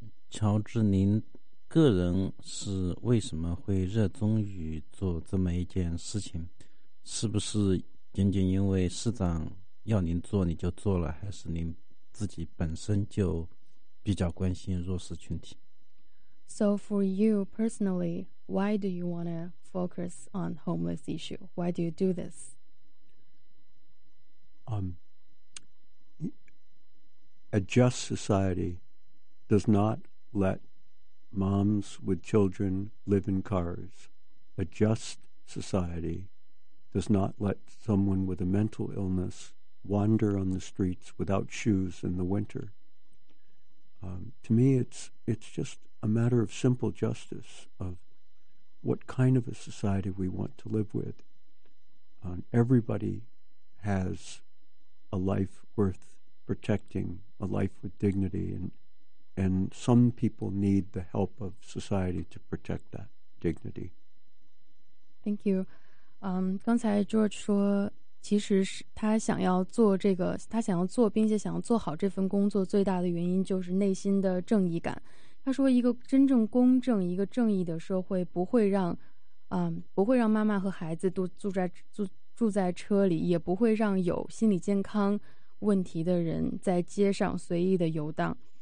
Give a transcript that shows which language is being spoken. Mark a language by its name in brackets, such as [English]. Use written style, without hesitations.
[Chinese] 乔治，您个人是为什么会热衷于做这么一件事情？是不是仅仅因为市长要您做你就做了，还是您自己本身就比较关心弱势群体？ [English] So for you personally, why do you want to focus on homeless issue? Why do you do this? A just society does not let moms with children live in cars. A just society does not let someone with a mental illness wander on the streets without shoes in the winter. To me, it's just a matter of simple justice of what kind of a society we want to live with. Everybody has a life worth protecting, a life with dignity, and some people need the help of society to protect that dignity. Thank you. [Chinese] 刚才 George 说，其实是他想要做这个，他想要做，并且想要做好这份工作，最大的原因就是内心的正义感。他说，一个真正公正、一个正义的社会，不会让，不会让妈妈和孩子都住在车里，也不会让有心理健康问题的人在街上随意的游荡。